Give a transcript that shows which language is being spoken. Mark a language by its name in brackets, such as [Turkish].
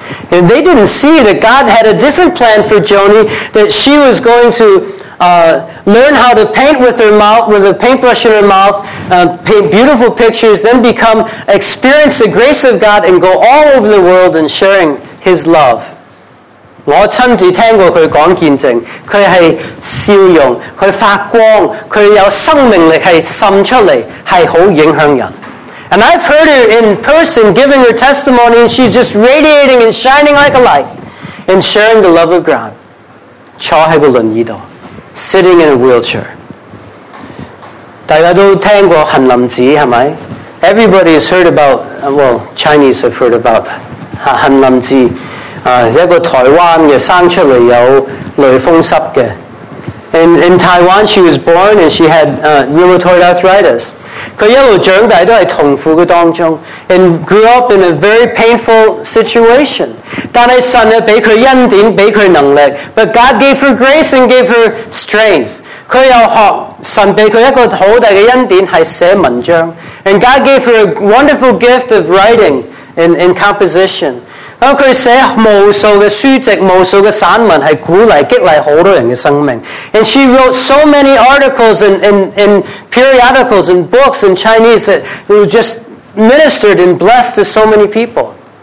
[English] And they didn't see that God had a different plan for Joni, that she was going to learn how to paint with her mouth, with a paintbrush in her mouth, paint beautiful pictures, then become, experience the grace of God and go all over the world and sharing His love. [Chinese] 我亲自听过她讲见证，她是笑容，她发光，她有生命力，是渗出来，是很影响人。 [English] And I've heard her in person giving her testimony, and she's just radiating and shining like a light and sharing the love of God. [Chinese] 坐在轮椅上, [English] sitting in a wheelchair. [Chinese] 大家都听过韩林子, 是吗? [English] Everybody has heard about, well, Chinese have heard about韩林子, [Chinese] 一个台湾的, 生出来有类风湿的。 [English] In Taiwan, she was born and she had rheumatoid arthritis. [Chinese] 她一路长大都在痛苦当中, [English] and grew up in a very painful situation. [Chinese] 但是神给她恩典给她能力, [English] but God gave her grace and gave her strength. [Chinese] 她又学神给她一个好大的恩典是写文章, [English] and God gave her a wonderful gift of writing and composition. [Chinese] 然后他写无数的书籍，无数的散文，是鼓励激励好多人的生命。 [English] And she wrote so many articles and periodicals and books in Chinese that just ministered and blessed to so many people.